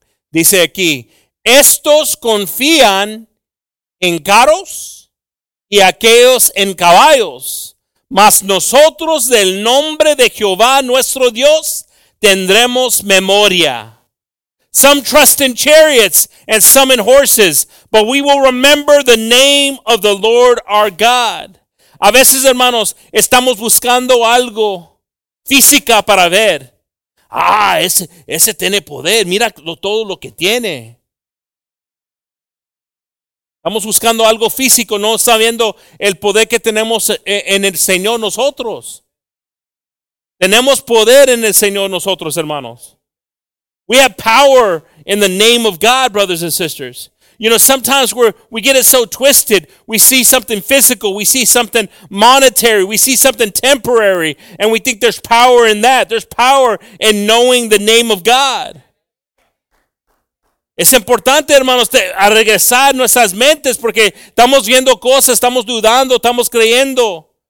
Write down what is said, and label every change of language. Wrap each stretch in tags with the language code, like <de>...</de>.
<es>Dice aquí, estos confían en carros y aquellos en caballos. Mas nosotros del nombre de Jehová nuestro Dios tendremos memoria.</es> <en>Some trust in chariots and some in horses, but we will remember the name of the Lord our God.</en> <es>A veces, hermanos, estamos buscando algo física para ver. Ah, ese tiene poder. Mira todo lo que tiene. Estamos buscando algo físico, no sabiendo el poder que tenemos en el Señor nosotros. Tenemos poder en el Señor nosotros, hermanos.</es> <en>We have power in the name of God, brothers and sisters. You know, sometimes we get it so twisted. We see something physical. We see something monetary. We see something temporary. And we think there's power in that. There's power in knowing the name of God.</en> <es>Es importante, hermanos, a regresar nuestras mentes porque estamos viendo cosas, estamos dudando, estamos creyendo.</es>